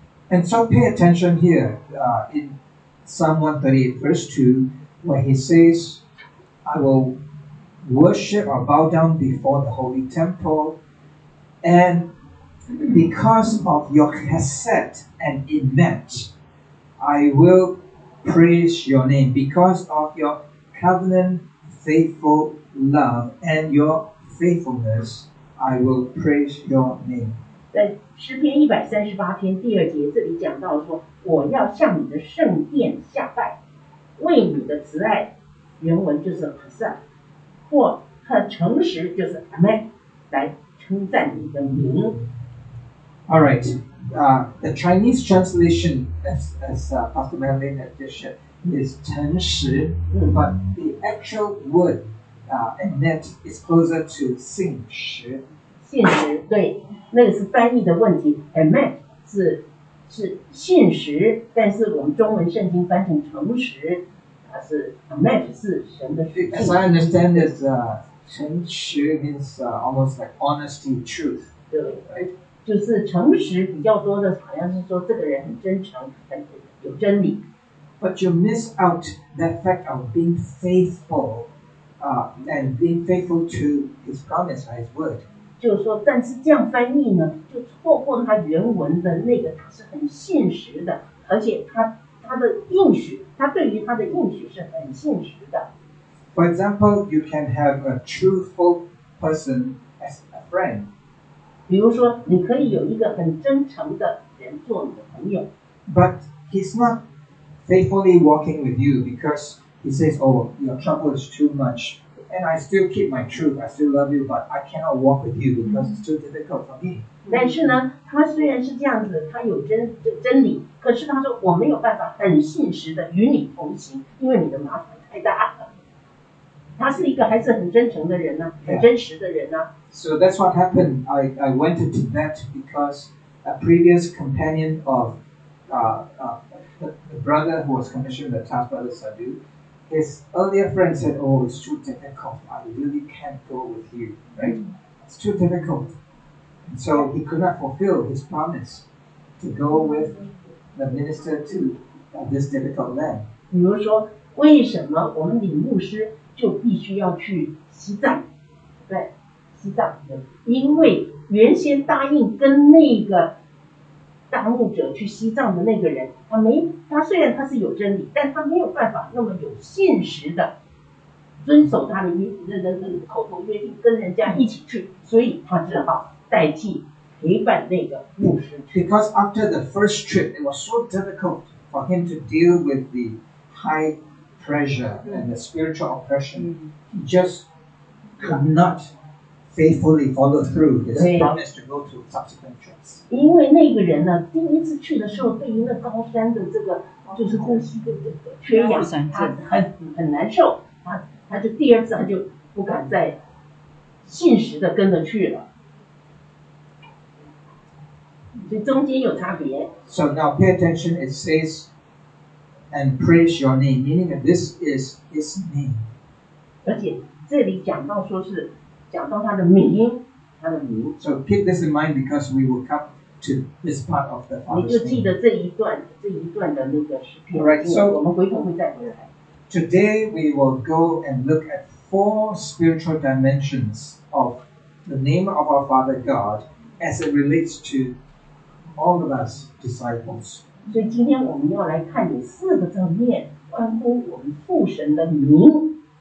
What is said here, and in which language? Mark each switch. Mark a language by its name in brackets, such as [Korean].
[English] And so pay attention here in Psalm 138, verse 2, where he says, I will worship or bow down before the holy temple, and because of your chesed and emet, I will praise your name, because of your covenant, faithful love, and your faithfulness, I will praise your name. [Chinese] 在诗篇138篇第二节这里讲到说，我要向你的圣殿下拜，为你的慈爱，原文就是 Hasan， 或他的诚实就是 Amen， 来称赞你的名。 [English] All right, the Chinese translation as Pastor Melvin had just said is 诚实、mm-hmm. but the actual word and net is closer to 信实。 [Chinese] 信实，对，那个是翻译的问题。Amen 是信实，但是我们中文圣经翻成诚实，它是 Amen 是神的信实。 [English] As I understand this, 诚实 means almost like honesty, truth. [Chinese] 对。 [English] Right? [Chinese] 就是诚实比较多的，好像是说这个人很真诚，很有真理。 [English] But you miss out the fact of being faithful, and being faithful to his promise, or his word. [Chinese] 就是说，但是这样翻译呢，就错过他原文的那个，他是很现实的，而且他的应许，他对于他的应许是很现实的。 [English] For example, you can have a truthful person as a friend. [Chinese] 比如说，你可以有一个很真诚的人做你的朋友。 [English] But he's not faithfully walking with you because he says, "Oh, your trouble is too much, and I still keep my truth. I still love you, but I cannot walk with you because it's too difficult for me." [Chinese] 但是呢，他虽然是这样子，他有真理，可是他说我没有办法很信实的与你同行，因为你的麻烦太大了。他是一个还是很真诚的人呢、啊， [English] yeah. [Chinese] 很真实的人呢、啊。 [English] So that's what happened. I went to Tibet because a previous companion of the brother who was commissioned the task, Brother Sadhu, his earlier friend said, "Oh, it's too difficult. I really can't go with you, right? It's too difficult." And so he could not fulfill his promise to go with the minister to this difficult land. [Chinese] 比如说，为什么我们李牧师就必须要去西藏？对。西藏的，因为原先答应跟那个当务者去西藏的那个人，他虽然他是有真理，但他没有办法那么有信实的遵守他的口头约定，跟人家一起去，所以他只好代替陪伴那个牧师去。 [English] Because after the first trip, it was so difficult for him to deal with the high pressure and the spiritual oppression. He just could not. Faithfully follow through his promise to go to subsequent trips. [Chinese] 因为那个人呢，第一次去的时候，对于那高山的这个就是呼吸的这个缺氧，他很难受，他就第二次他就不敢再信实的跟着去了，所以中间有差别。 [English] So now pay attention. It says, "And praise your name," meaning that this is his name. [Chinese] 而且这里讲到说是。讲到他的名，他的名。 [English] So keep this in mind because we will come to this part of the Father's name. [Chinese] 你就记得这一段的那个诗篇。 [English] Right, so [Chinese] 我们回头会再回来。 [English] Today we will go and look at four spiritual dimensions of the name of our Father God as it relates to all of us disciples. [Chinese] 所以今天我们要来看有四个层面，关乎我们父神的名。